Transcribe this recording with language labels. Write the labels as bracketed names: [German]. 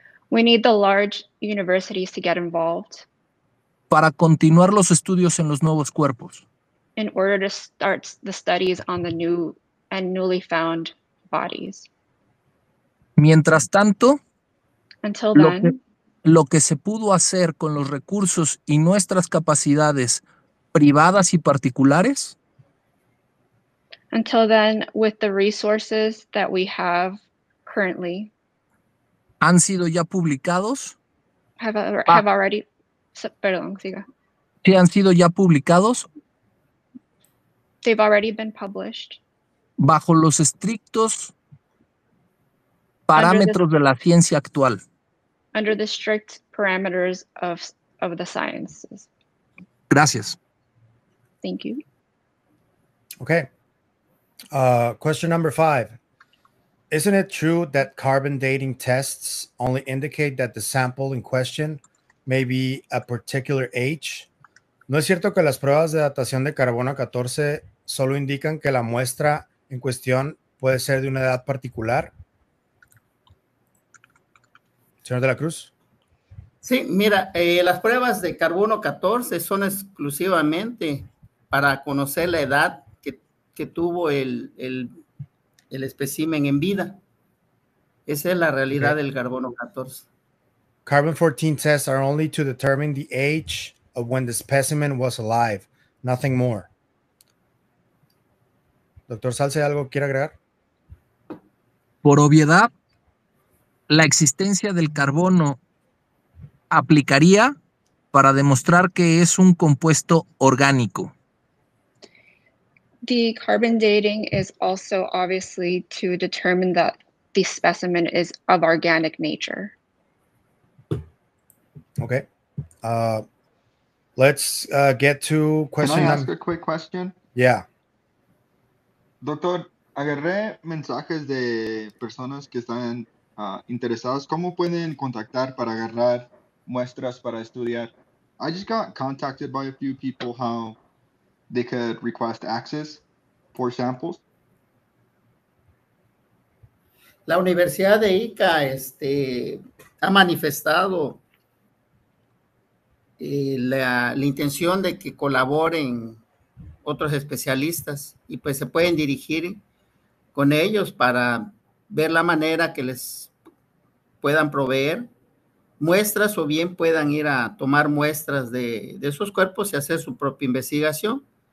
[English] We need the large universities to get involved. [Spanish] Para continuar los estudios en los nuevos cuerpos. [English] In order to start the studies on the new and newly found bodies. [Spanish] Mientras tanto, [English] until then, [Spanish] lo que se pudo hacer con los recursos y nuestras capacidades privadas y particulares. [English] Until then, with the resources that we have currently. [Spanish] Han sido ya publicados. Perdón, siga. Sí, han sido ya publicados. [English] They've already been published. [Spanish] Bajo los estrictos parámetros de la ciencia actual. [English] Under the strict parameters of the sciences. [Spanish] Gracias. [English] Thank you. Okay. Question number 5. Isn't it true that carbon dating tests only indicate that the sample in question may be a particular age? [Spanish] ¿No es cierto que las pruebas de datación de carbono 14 solo indican que la muestra en cuestión puede ser de una edad particular? Señor de la Cruz. Sí, mira, las pruebas de carbono 14 son exclusivamente para conocer la edad que tuvo el espécimen en vida. Esa es la realidad, okay, del carbono 14. [English] Carbon 14 tests are only to determine the age of when the specimen was alive, nothing more. [Spanish] Doctor Salce, ¿algo quiere agregar? Por obviedad, la existencia del carbono aplicaría para demostrar que es un compuesto orgánico. [English] The carbon dating is also obviously to determine that the specimen is of organic nature. Okay. Let's get to question. Can I ask a quick question? Yeah. [Spanish] Doctor, agarré mensajes de personas que están interesadas. ¿Cómo pueden contactar para agarrar muestras para estudiar? [English] I just got contacted by a few people how they could request access for samples. [Spanish] La Universidad de Ica ha manifestado la intención de que colaboren otros especialistas, y pues se pueden dirigir con ellos para ver la manera que les puedan proveer muestras, o bien puedan ir a tomar muestras de esos cuerpos y hacer su propia investigación.